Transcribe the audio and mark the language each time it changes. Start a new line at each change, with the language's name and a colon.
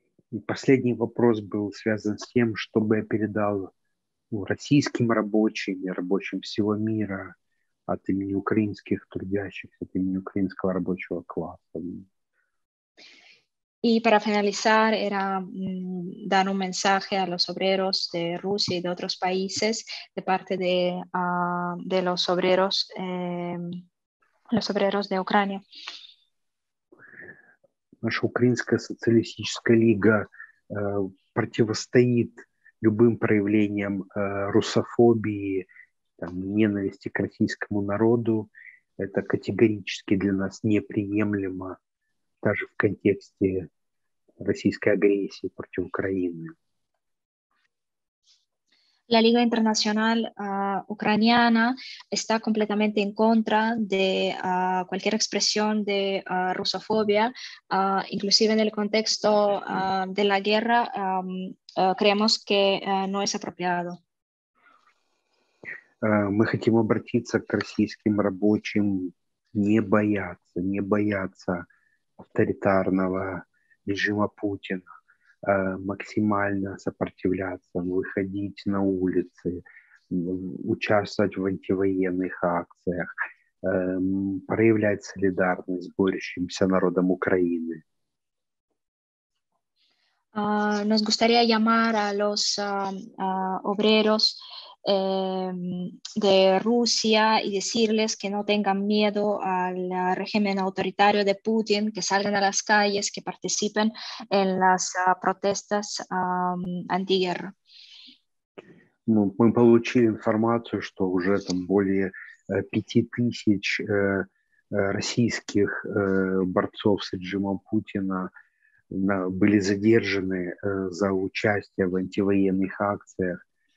Russian: И последний вопрос был связан с тем, чтобы я передал российским рабочим и рабочим всего мира от имени украинских трудящихся, от имени украинского рабочего класса.
Spanish: Y para finalizar, era dar un mensaje a los obreros de Rusia y de otros países de parte de los obreros de Ucrania.
Russian: Наша Украинская социалистическая лига противостоит любым проявлениям русофобии, там, ненависти к российскому народу. Это категорически для нас неприемлемо, даже в контексте российской агрессии против Украины.
Spanish: La Liga Internacional Ucraniana está completamente en contra de cualquier expresión de rusofobia, inclusive en el contexto de la guerra, creemos que no es apropiado.
Russian: Мы хотим обратиться к российским рабочим, не бояться авторитарного режима Путина. максимально сопротивляться, выходить на улицы, участвовать в антивоенных акциях, проявлять солидарность с борющимся народом Украины.
Spanish: Nos gustaría llamar a los obreros de Rusia y decirles que no tengan miedo al régimen autoritario de Putin, que salgan a las calles, que participen en las protestas antiguerra.
Russian: Мы получили информацию, что уже там более 5000 российских борцов с режимом Путина были задержаны за участие в антивоенных акциях.